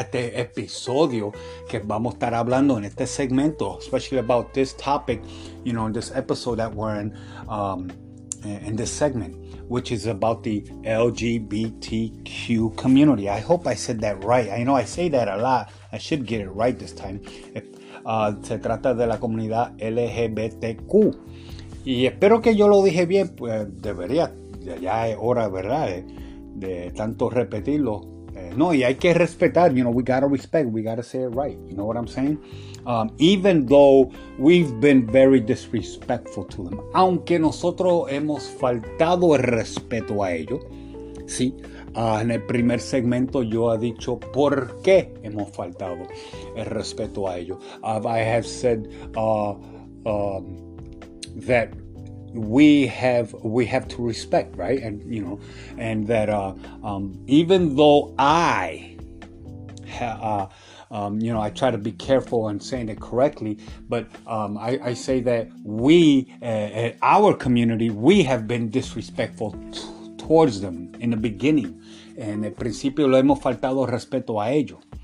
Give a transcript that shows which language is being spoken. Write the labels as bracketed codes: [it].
[es] Este episodio que vamos a estar hablando en este segmento. [en] Especially about this topic, you know, in this episode that we're in this segment, which is about the LGBTQ community. I hope I said that right. I know I say that a lot. I should get it right this time. [es] Se trata de la comunidad LGBTQ. Y espero que yo lo dije bien. Pues debería. Ya es hora, ¿verdad? De tanto repetirlo. No, y hay que respetar. [en] You know, we gotta respect. We gotta say it right. You know what I'm saying? Even though we've been very disrespectful to them. [es] Aunque nosotros hemos faltado el respeto a ellos. Sí. En el primer segmento yo he dicho por qué hemos faltado el respeto a ellos. [en] I have said that we have to respect, right? And you know, and that even though I try to be careful in saying it correctly, but I say that we our community, we have been disrespectful towards them in the beginning. [es] En el principio lo hemos faltado respeto a ellos.